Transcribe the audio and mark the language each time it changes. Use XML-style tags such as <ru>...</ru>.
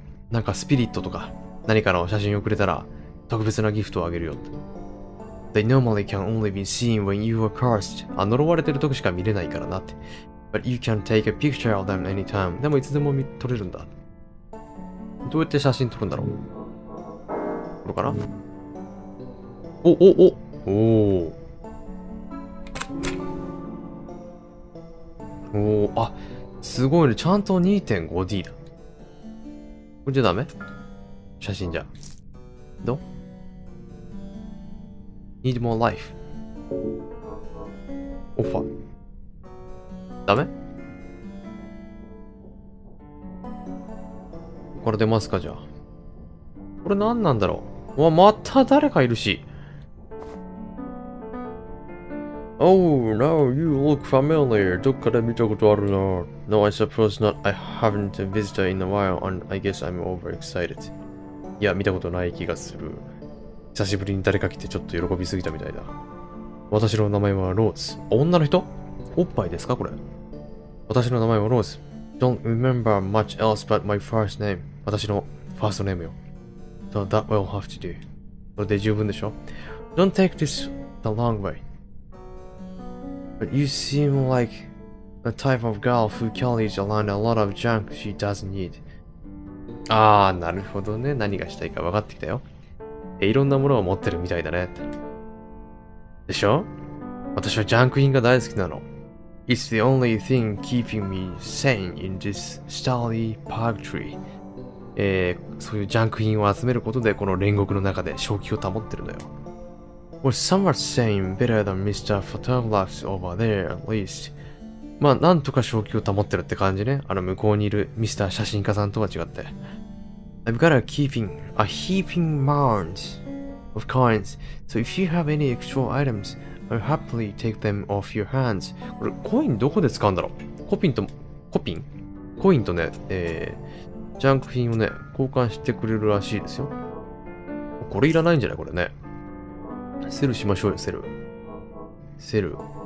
<ja>なんかスピリットとか何かの写真をくれたら特別なギフトをあげるよって。</ja> <en>They normally can only be seen when you are cursed.</en> <ja>呪われてる時しか見れないからなって。</ja> <en>But you can take a picture of them anytime.</en> <ja>でもいつでも撮れるんだ。どうやって写真撮るんだろう。これかな。おおおおおお、あ、すごいね。ちゃんと 2.5D だ。これじゃダメ?写真じゃ。どう?</ja> <en>Need more life.</en> <ja>オファー。ダメ? これ出ますかじゃあ。これ何なんだろう? うわ、また誰かいるし。</ja> <en>Oh, now you look familiar.</en> <ja>どっかで見たことあるな。</ja> <en>No, I suppose not. I haven't visited in a while, and I guess I'm overexcited.</en> <ja>いや、見たことない気がする。久しぶりに誰か来てちょっと喜びすぎたみたいだ。私の名前はローズ。女の人?おっぱいですかこれ。私の名前はローズ。</ja> <en>Don't remember much else but my first name.</en> <ja>私のファーストネームよ。</ja> <en>So that will have to do.</en> <ja>それで十分でしょ?</ja> <en>Don't take this the long way. But you seem like the type of girl who carries around a lot of junk she doesn't need.</en> <ja>ああ、なるほどね。何がしたいか分かってきたよ。いろんなものを持ってるみたいだね。でしょ? 私はジャンク品が大好きなの。</ja> <en>It's the only thing keeping me sane in this starry park tree.</en> <ja>そういうジャンク品を集めることで、この煉獄の中で正気を保ってるのよ。</ja> <en>We're somewhat sane, better than Mr. Photographs over there, at least.</en> <ja>まあ、なんとか正気を保ってるって感じね。あの向こうにいるミスター写真家さんとは違って。</ja> <en>I've got a keeping, a heaping mound of coins. So if you have any extra items, I'll happily take them off your hands.</en> <ja>これ、コインどこで使うんだろう?コインとね、ジャンク品をね、交換してくれるらしいですよ。これいらないんじゃない?これね。セルしましょうよ、セル。セル。</ja>